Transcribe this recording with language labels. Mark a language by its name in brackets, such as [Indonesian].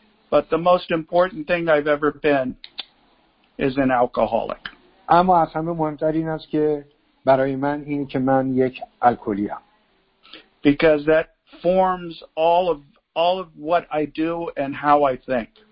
[English] But the most important thing I've ever been is an alcoholic. [Persian] اما از همه مهمتر این است که برای من این که من یک الکلی ام. [English] Because that forms all of what I do and how I think.